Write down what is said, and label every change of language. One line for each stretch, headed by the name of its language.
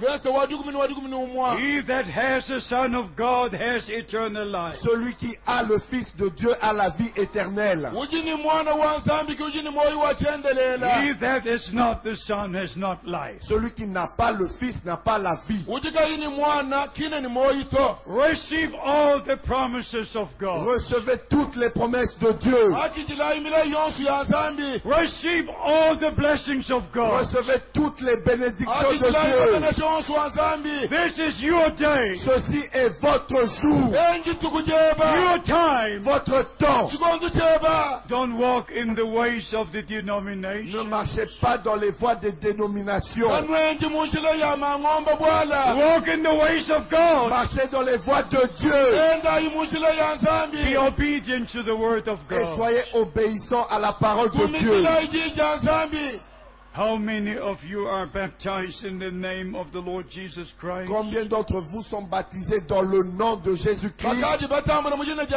English: he that has the Son of God has eternal life.
French: Celui qui a le Fils de Dieu a la vie éternelle.
English: He that is not the Son has not life.
French: Celui qui n'a pas le Fils n'a pas la vie.
English: Receive all the promises of God.
French: Recevez toutes les promesses de Dieu.
English: Receive all the blessings of God.
French: Recevez toutes les bénédictions de Dieu.
English: This is your day.
French: Ceci est votre jour.
English: Your time.
French: Votre temps.
English: Don't walk in the ways of the denomination.
French: Ne marchez pas dans les voies des dénominations.
English: Walk in the ways of God.
French: Marchez dans les voies de Dieu.
English: Be obedient to the word of God.
French: Et soyez obéissant à la parole de Dieu.
English: How many of you are baptized in the name of the Lord Jesus Christ?
French: Combien d'entre vous sont baptisés dans le nom de Jésus-Christ?